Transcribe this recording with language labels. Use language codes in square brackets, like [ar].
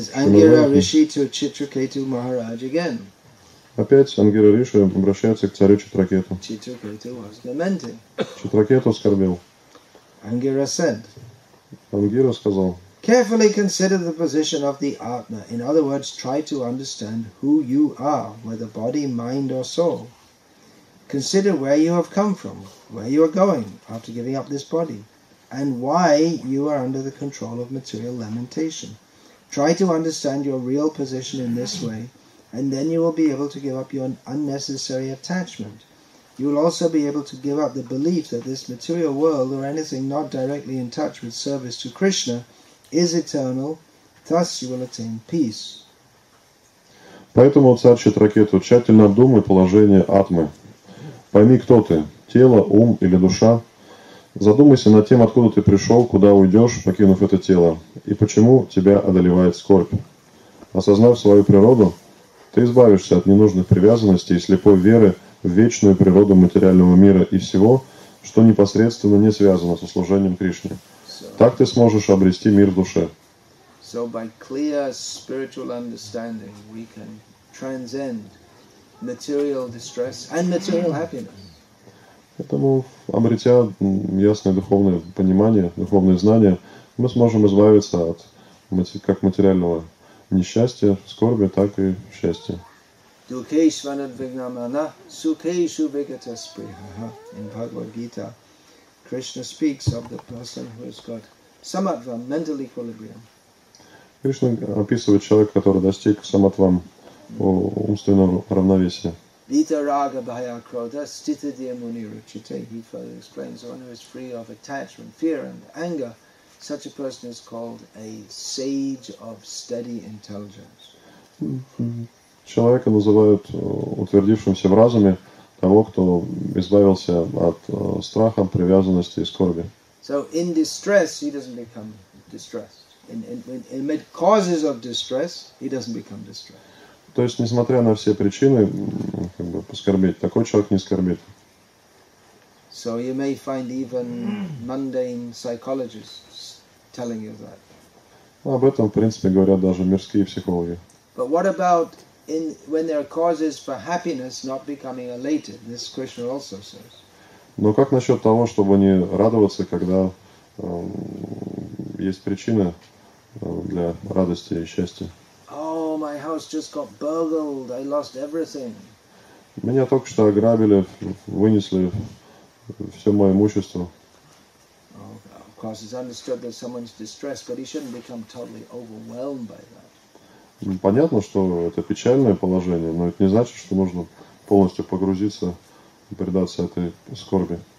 [en] Ангира Риши to Читракету Махарадж again. [ru] Опять Ангира Риши обращается к царю Читракету. [en] Читракету was lamenting. [ru] Читракету скорбел. [en] Ангира said. [ru] Ангира сказал. [en] Carefully consider the position of the Atma. In other words, try to understand who you are, whether body, mind or soul. Consider where you have come from, where you are going after giving up this body, and why you are under the control of material lamentation. Try to understand your real position in this way, and then you will be able to give up your unnecessary attachment. You will also be able to give up the belief that this material world, or anything not directly in touch with service to Krishna, is eternal, thus you will attain peace. [ru] Поэтому царь Читракету тщательно обдумай положение атмы. Пойми, кто ты – тело, ум или душа. Задумайся над тем, откуда ты пришел, куда уйдешь, покинув это тело, и почему тебя одолевает скорбь. Осознав свою природу, ты избавишься от ненужных привязанностей и слепой веры в вечную природу материального мира и всего, что непосредственно не связано со служением Кришне. Так ты сможешь обрести мир в душе. [en] So by clear spiritual understanding, we can transcend material distress and material happiness. [ru] Поэтому, обретя ясное духовное понимание, духовное знание, мы сможем избавиться от как материального несчастья, скорби, так и счастья. [sa] Dukeshvanadvignamana sukeshu vigatasprihaha. [en] In Bhagavad Gita, Krishna speaks of the person who has got samatvam, mental equilibrium. [ru] Кришна описывает человека, который достиг самотвам, умственного равновесия. [sa] Vitaraga bhaya krodha sthita dhyamuni ruchite. [en] He further explains, one who is free of attachment, fear and anger, such a person is called a sage of steady intelligence. [ru] Человека называют утвердившимся в разуме, того, кто избавился от страха, привязанности и скорби. [en] So in distress he doesn't become distressed. In amid causes of distress he doesn't become distressed. [ru] То есть, несмотря на все причины, как бы поскорбить, такой человек не скорбит. [en] So you may find even mundane psychologists telling you that. [ru] Об этом, в принципе, говорят даже мирские психологи. [en] But what about in when there are causes for happiness not becoming elated? This Krishna also says. [ru] Но как насчет того, чтобы не радоваться, когда есть причина для радости и счастья? [en] Oh, my house just got burgled. I lost everything. [ru] Меня только что ограбили, вынесли все мое имущество. [en] Of course, it's understood that someone's distressed, but he shouldn't become totally overwhelmed by that. [ru] Понятно, что это печальное положение, но это не значит, что нужно полностью погрузиться и предаться этой скорби.